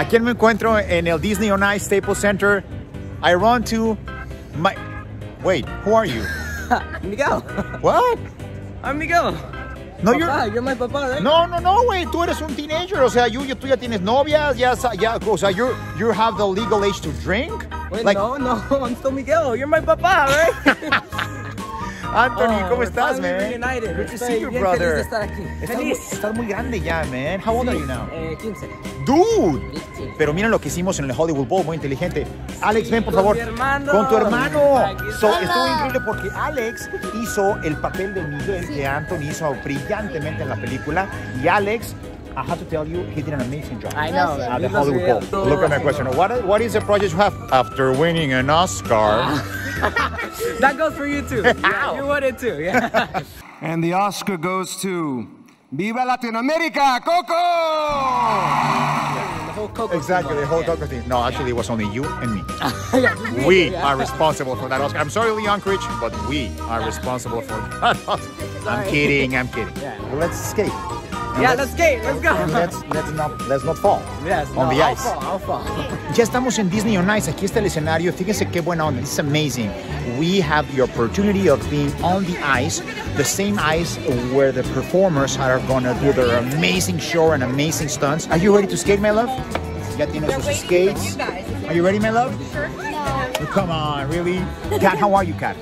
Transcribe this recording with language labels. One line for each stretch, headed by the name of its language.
Spanish: Aquí me encuentro en el Disney on Ice Staples Center.
English: I run to my, wait, who are you? Miguel. What? I'm Miguel. No,
Spanish: papá,
English: you're my papá, right?
Spanish: No, no, no, wey. Tú eres un teenager. O sea, tú ya tienes novias. Ya, o sea,
English: you have the legal age to drink. Wait, like, no, I'm still Miguel. You're my papá, right?
Spanish: Anthony, ¿cómo estás, man?
English: Reunited. Good to see you, brother.
Spanish: Feliz de estar aquí. Estás muy grande ya, man.
English: How old are you now? 15. Dude.
Spanish: Pero miren lo que hicimos en el Hollywood Bowl, muy inteligente. Alex, sí, ven, por favor. Con tu hermano. Con tu hermano. Estuvo increíble porque Alex hizo el papel de Miguel, sí, que Anthony hizo brillantemente, sí, en la película.
English: Y Alex, I have to tell you, he did an amazing job. I know. At the Hollywood Bowl. Look at my question. What is the project you have after winning an Oscar? That goes for you too. Yeah, you won it too, yeah. And the Oscar goes to Viva Latinoamérica, Coco! Coco, exactly, team, the whole, yeah, Coco team. No, actually, it was only you and me. Yeah, we, yeah, are responsible for that Oscar. I'm sorry, Leon Critch, but we are responsible for that Oscar. I'm kidding. Yeah. Well, let's skate. And yeah, let's skate. Let's go. And let's not fall. Yes, on the ice. I'll fall.
Spanish: Ya estamos en Disney on Ice. Aquí está el escenario. Fíjense qué buena onda.
English: This is amazing. We have the opportunity of being on the ice, the same ice where the performers are gonna do their amazing show and amazing stunts. Are you ready to skate, my love?
Spanish: Ya tienes sus skates.
English: Are you ready, my love? Sure. No. Oh, come on, really? Kat, how are you, Kat?